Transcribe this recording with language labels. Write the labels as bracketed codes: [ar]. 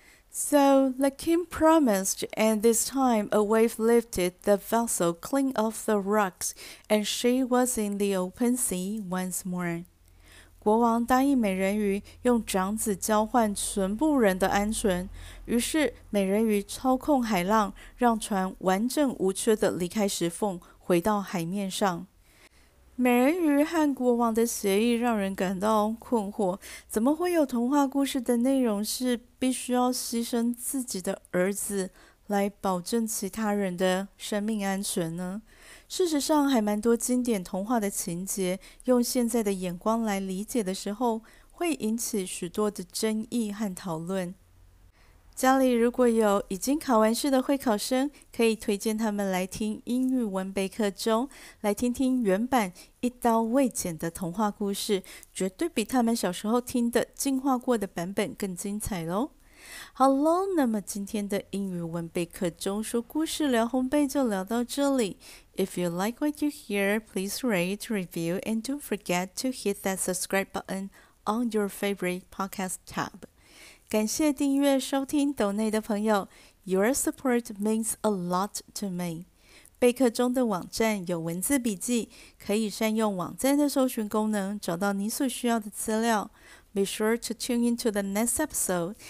[en] So the king promised, and this time a wave lifted the vessel clean off the rocks, and she was in the open sea once more. [zh] 国王答应美人鱼用长子交换全部人的安全，于是美人鱼操控海浪，让船完整无缺地离开石缝，回到海面上。美人鱼和国王的协议让人感到困惑，怎么会有童话故事的内容是必须要牺牲自己的儿子来保证其他人的生命安全呢？事实上，还蛮多经典童话的情节，用现在的眼光来理解的时候，会引起许多的争议和讨论。家里如果有已经考完试的会考生，可以推荐他们来听英语文备课中，来听听原版一刀未剪的童话故事，绝对比他们小时候听的进化过的版本更精彩咯。好咯，那么今天的英语文备课中说故事聊烘焙就聊到这里。 [en] If you like what you hear, please rate, review, and don't forget to hit that subscribe button on your favorite podcast tab. [zh] 感谢订阅收听抖内的朋友 [en] ,Your support means a lot to me. [zh] 备课中的网站有文字笔记，可以善用网站的搜寻功能找到你所需要的资料。 [en] Be sure to tune into the next episode.